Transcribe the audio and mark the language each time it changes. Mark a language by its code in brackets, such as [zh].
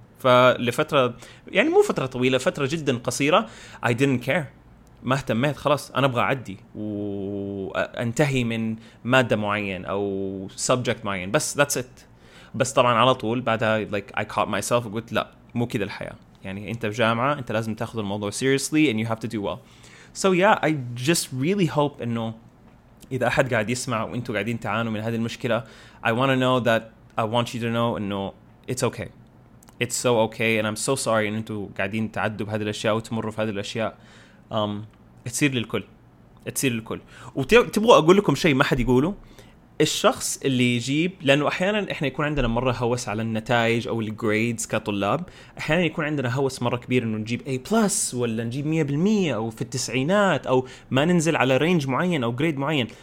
[ar] فلفتره يعني مو فتره طويله، فتره جدا قصيره [en] I didn't care، [ar] ما اهتميت، خلاص انا ابغى اعدي وانتهي من ماده معين او subject معين، بس [en] that's it. [ar] بس طبعا على طول بعدها [en] like I caught myself [ar] وقلت لا، مو كذا الحياه، يعني انت في جامعه انت لازم تاخذ الموضوع [en] seriously and you have to do well. So yeah, I just really hope [ar] انه اذا احد قاعد يسمع وانتم قاعدين تعانوا من هذه المشكله، [en] I want to know that I want you to know انه it's okay. It's so okay and I'm so sorry [ar] ان انتم قاعدين تعدوا بهذه الاشياء وتمروا في هذه الاشياء. تصير للكل، تصير للكل. وتبغوا اقول لكم شيء ما حد يقوله، الشخص اللي يجيب، لانه احيانا احنا يكون عندنا مره هوس على النتائج او الجريدز كطلاب، احيانا يكون عندنا هوس مره كبير انه نجيب A بلس ولا نجيب 100% او في التسعينات او ما ننزل على رينج معين او جريد معين.